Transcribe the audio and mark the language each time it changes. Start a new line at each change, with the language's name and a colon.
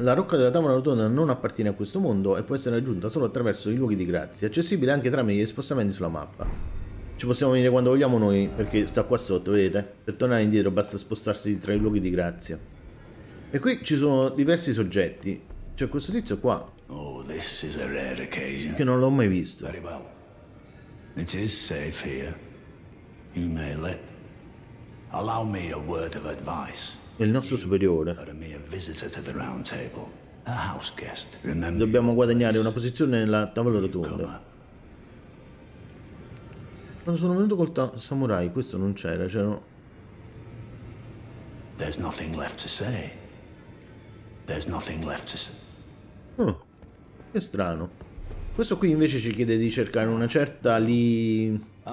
Italian: La rocca della tavola rotonda non appartiene a questo mondo e può essere raggiunta solo attraverso i luoghi di grazia, accessibile anche tramite gli spostamenti sulla mappa. Ci possiamo venire quando vogliamo noi, perché sta qua sotto, vedete? Per tornare indietro basta spostarsi tra i luoghi di grazia. E qui ci sono diversi soggetti. C'è questo tizio qua.
English: Oh, this is a rare occasion.
Italian: Che non l'ho mai visto.
English: Very well. It is safe here. You may let. Allow me a word of advice.
Italian: Il nostro superiore.
English: A mere visitor to the round table. A house guest.
Italian: Dobbiamo guadagnare una posizione nella tavola rotonda. Quando sono venuto col samurai, questo non c'era, c'erano.
English: There's nothing left to say. There's nothing left to say.
Italian: Che strano. Questo qui invece ci chiede di cercare una certa lì.